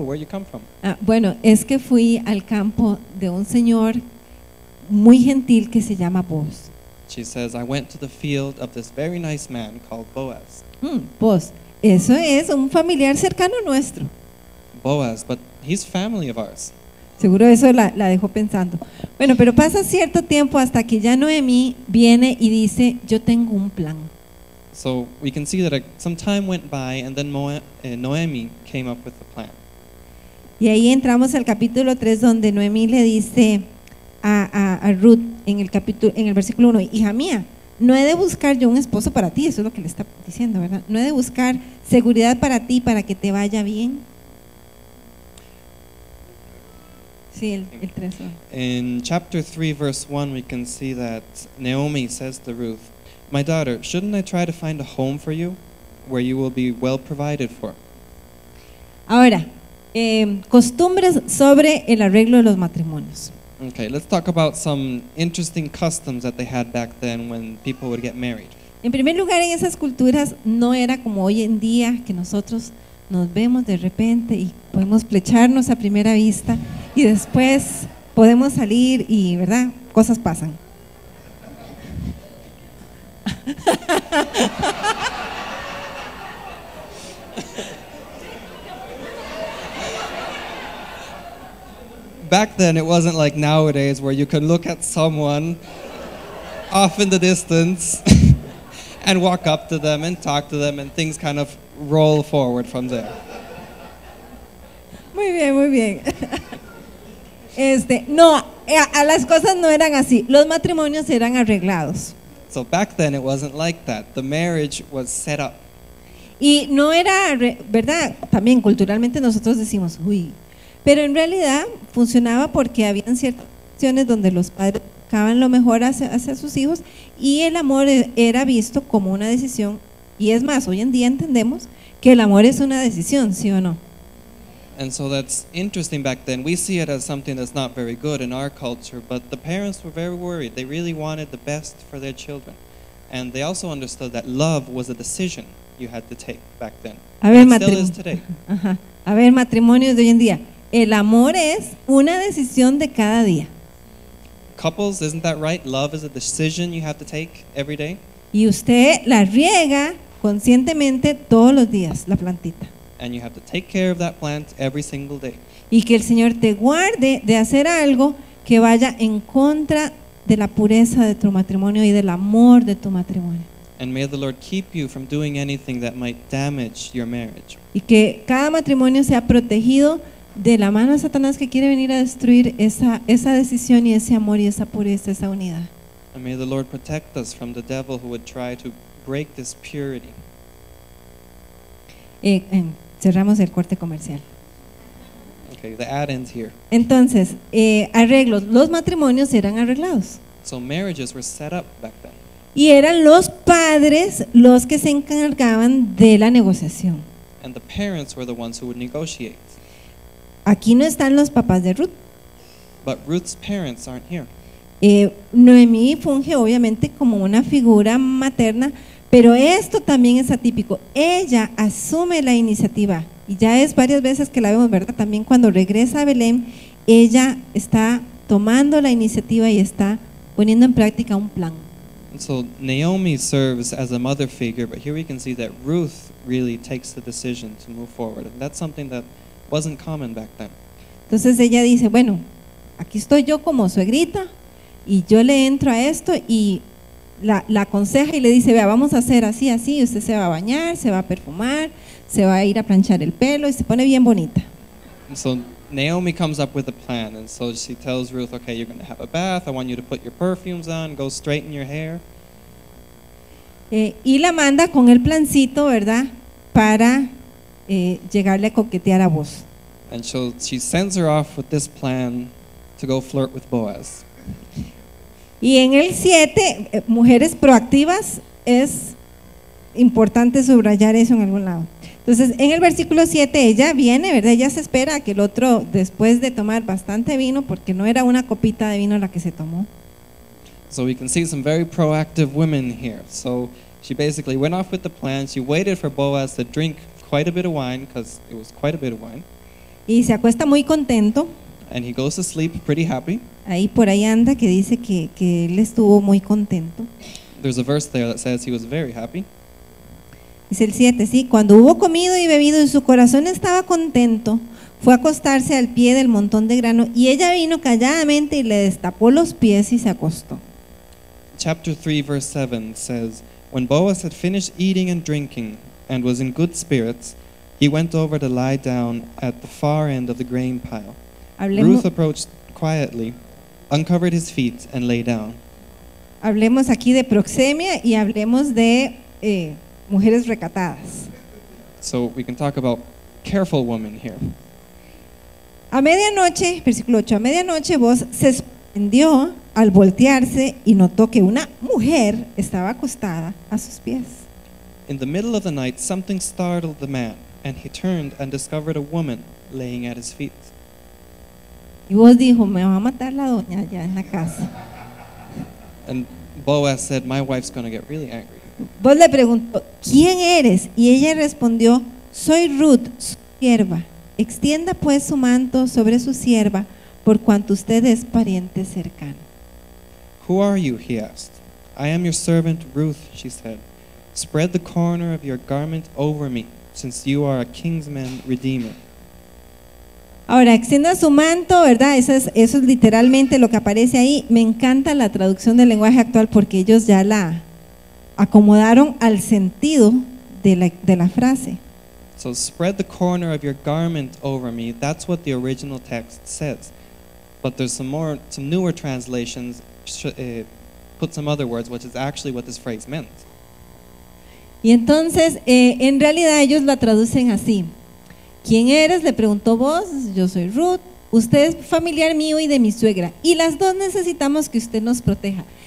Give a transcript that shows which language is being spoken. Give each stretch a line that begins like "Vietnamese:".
English: Where'd you come from?"
Spanish: Bueno, es que fui al campo de un señor muy gentil que se llama Boaz.
English: She says, "I went to the field of this very nice man called Boaz."
Spanish: Boaz, eso es un familiar cercano nuestro.
English: Boaz, but he's family of ours.
Spanish: Seguro eso la dejó pensando. Bueno, pero pasa cierto tiempo hasta que ya Noemí viene y dice, "Yo tengo un plan."
English: So we can see that some time went by and then Noemi came up with the plan.
Spanish: Y ahí entramos al capítulo 3 donde Noemi le dice a Ruth en el versículo 1, "Hija mía, no he de buscar yo un esposo para ti." Eso es lo que le está diciendo, ¿verdad? No he de buscar seguridad para ti para que te vaya bien. Sí, el 3.
English: In chapter 3 verse 1 we can see that Naomi says to Ruth, "My daughter, shouldn't I try to find a home for you where you will be well provided for?"
Spanish: Ahora, costumbres sobre el arreglo de los matrimonios.
English: Okay, let's talk about some interesting customs that they had back then when people would get married.
Spanish: En primer lugar, en esas culturas no era como hoy en día que nosotros nos vemos de repente y podemos flecharnos a primera vista y después podemos salir y, ¿verdad? Cosas pasan.
English: Back then it wasn't like nowadays where you can look at someone off in the distance and walk up to them and talk to them and things kind of roll forward from there.
Spanish: Muy bien, muy bien. No, a las cosas no eran así. Los matrimonios eran arreglados.
English: So back then it wasn't like that. The marriage was set up.
Spanish: Y no era, ¿verdad? También culturalmente nosotros decimos, uy. Pero en realidad funcionaba porque habían ciertas situaciones donde los padres buscaban lo mejor hacia sus hijos y el amor era visto como una decisión. Y es más, hoy en día entendemos que el amor es una decisión, ¿sí o no?
English: And so that's interesting back then. We see it as something that's not very good in our culture, but the parents were very worried. They really wanted the best for their children. And they also understood that love was a decision you had to take back then. Still is today.
Spanish: A ver, matrimonios de hoy en día. El amor es una decisión de cada día.
English: Couples, isn't that right? Love is a decision you have to take every day.
Spanish: Y usted la riega conscientemente todos los días, la plantita.
English: And you have to take care of that plant every single day.
Spanish: Y que el Señor te guarde de hacer algo que vaya en contra de la pureza de tu matrimonio y del amor de tu matrimonio.
English: And may the Lord keep you from doing anything that might damage your marriage.
Spanish: Y que cada matrimonio sea protegido de la mano de Satanás que quiere venir a destruir esa decisión y ese amor y esa pureza, esa unidad.
English: And may the Lord protect us from the devil who would try to break this purity.
Spanish: Cerramos el corte comercial.
English: Okay, the ad ends here.
Spanish: Entonces, arreglos. Los matrimonios eran arreglados.
English: So marriages were set up back then.
Spanish: Y eran los padres los que se encargaban de la negociación.
English: And the parents were the ones who would negotiate.
Spanish: Aquí no están los papás de Ruth.
English: But Ruth's parents aren't here.
Spanish: Noemí funge obviamente como una figura materna. Pero esto también es atípico. Ella asume la iniciativa. Y ya es varias veces que la vemos, ¿verdad? También cuando regresa a Belén, ella está tomando la iniciativa y está poniendo en práctica un plan.
English: So Naomi serves as a mother figure, but here we can see that Ruth really takes the decision to move forward. And that's something that wasn't common back then.
Spanish: Entonces ella dice, bueno, aquí estoy yo como suegrita y yo le entro a esto y la aconseja y le dice, vea, vamos a hacer así, así, usted se va a bañar, se va a perfumar, se va a ir a planchar el pelo y se pone bien bonita.
English: So Naomi comes up with a plan, and so she tells Ruth, okay, you're going to have a bath, I want you to put your perfumes on, go straighten your hair.
Spanish: Y la manda con el plancito, ¿verdad? Para llegarle a coquetear a Boaz.
English: And so she sends her off with this plan to go flirt with Boaz.
Spanish: Y en el 7, mujeres proactivas, es importante subrayar eso en algún lado. Entonces, en el versículo 7, ella viene, ¿verdad? Ella se espera a que el otro, después de tomar bastante vino, porque no era una copita de vino la que se tomó.
English: So we can see some very proactive women here. So she basically went off with the plan. She waited for Boaz to drink quite a bit of wine, because it was quite a bit of wine.
Spanish: Y se acuesta muy contento.
English: And he goes to sleep pretty happy.
Spanish: Ahí por ahí anda que dice que él estuvo muy contento.
English: There's a verse there that says he was very happy.
Spanish: Dice el 7, sí, cuando hubo comido y bebido y su corazón estaba contento, fue a acostarse al pie del montón de grano y ella vino calladamente y le destapó los pies y se acostó.
English: Chapter 3, verse 7 says, when Boaz had finished eating and drinking and was in good spirits, he went over to lie down at the far end of the grain pile. Ruth approached quietly, uncovered his feet and lay down.
Spanish: Hablemos aquí de proxemia y hablemos de mujeres recatadas.
English: So we can talk about careful women here.
Spanish: A medianoche, versículo 8, a medianoche Boaz se sorprendió al voltearse y notó que una mujer estaba acostada a sus pies.
English: In the middle of the night, something startled the man, and he turned and discovered a woman laying at his feet.
Spanish: Y Boaz dijo, me va a matar la doña allá en la casa.
English: And Boaz said, my wife's going to get really angry.
Spanish: Boaz le preguntó, ¿quién eres? Y ella respondió, soy Ruth, su sierva. Extienda pues su manto sobre su sierva, por cuanto usted es pariente cercano.
English: Who are you? He asked. I am your servant Ruth, she said. Spread the corner of your garment over me, since you are a kinsman redeemer.
Spanish: Ahora, extienda su manto, ¿verdad? Eso es literalmente lo que aparece ahí. Me encanta la traducción del lenguaje actual porque ellos ya la acomodaron al sentido de la frase.
English: So spread the corner of your garment over me. That's what the original text says. But there's some newer translations put some other words, which is actually what this phrase meant.
Spanish: Y entonces, en realidad ellos la traducen así. ¿Quién eres? Le preguntó vos. Yo soy Ruth. Usted es familiar mío y de mi suegra. Y las dos necesitamos que usted nos proteja.